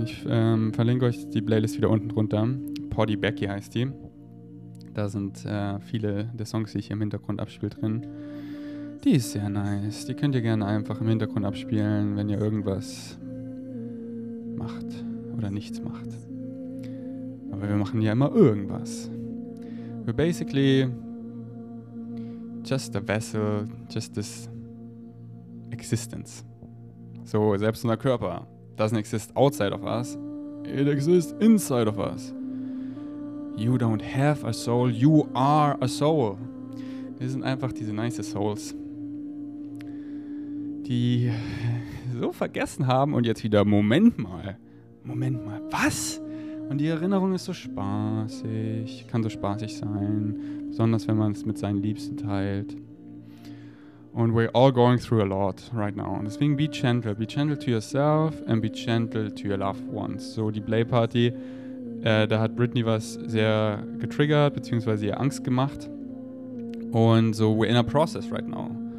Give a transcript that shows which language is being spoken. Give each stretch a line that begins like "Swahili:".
German: Ich verlinke euch die Playlist wieder unten drunter. Poddy Becky heißt die. Da sind viele der Songs, die ich hier im Hintergrund abspiele, drin. Die ist sehr nice. Die könnt ihr gerne einfach im Hintergrund abspielen, wenn ihr irgendwas macht oder nichts macht. Aber wir machen ja immer irgendwas.
English: We're basically just a vessel, just this existence.
German: So, selbst unser Körper
English: doesn't exist outside of us. It exists inside of us. You don't have a soul, you are a soul.
German: Wir sind einfach diese nice souls, die so vergessen haben und jetzt wieder, Moment mal, was? Und die Erinnerung ist so spaßig, kann so spaßig sein, besonders wenn man es mit seinen Liebsten teilt.
English: Und we're all going through a lot right now.
German: Und deswegen
English: be gentle to yourself and be gentle to your loved ones.
German: So die Play Party, da hat Britney was sehr getriggert, beziehungsweise ihr Angst gemacht.
English: Und so we're in a process right now.